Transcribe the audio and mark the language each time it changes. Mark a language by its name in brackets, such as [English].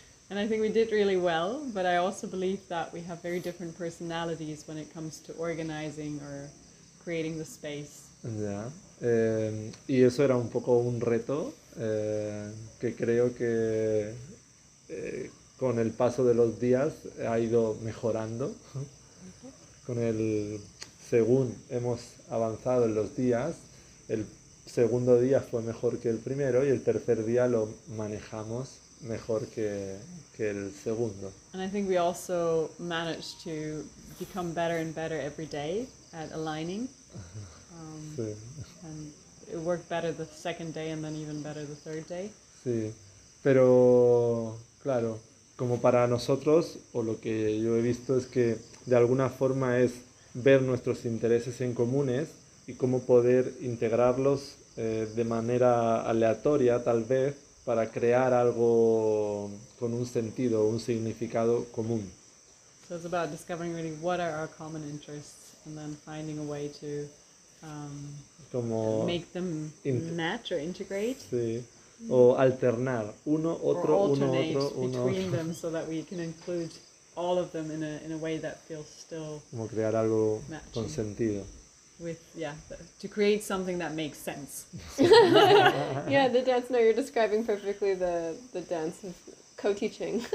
[English] And I think we did really well, but I also believe that we have very different personalities when it comes to organizing or creating the space. Yeah. [Spanish] Y eso era un poco un reto que creo que con el paso de los días ha ido mejorando. Con el según hemos avanzado en los días, el segundo día fue mejor que el primero y el tercer día lo manejamos mejor que el segundo. [English] And I think we also managed to become better and better every day at aligning. [Spanish] Sí. [English] And it worked better the second day and then even better the third day. [Spanish] Sí, pero claro, como para nosotros, o lo que yo he visto es que de alguna forma es ver nuestros intereses en comunes y cómo poder integrarlos de manera aleatoria, tal vez, para crear algo con un sentido, un significado común. [English] So it's about discovering really what are our common interests and then finding a way to [Spanish] como [English] make them match or integrate. [Spanish] Sí. O alternar uno, otro, uno, otro, uno. [English] Or alternate between them so that we can include all of them in a way that feels still [Spanish] como crear algo [English] matching. [Spanish] Con sentido. [English] With, yeah, to create something that makes sense. Yeah, the dance, no, you're describing perfectly the dance of co-teaching.